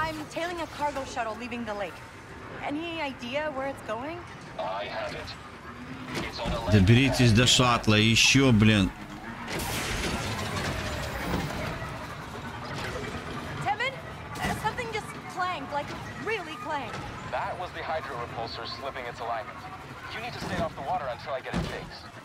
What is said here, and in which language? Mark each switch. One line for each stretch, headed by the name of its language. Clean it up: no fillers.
English: Tailing a cargo shuttle leaving the lake. Any idea where it's going? I have it.
Russian: Доберитесь до шаттла, еще, блин.
English: Tevin, something just clanged, like really clanged. That was the hydro repulsor slipping its alignment. You need to stay off the water until I get it fixed.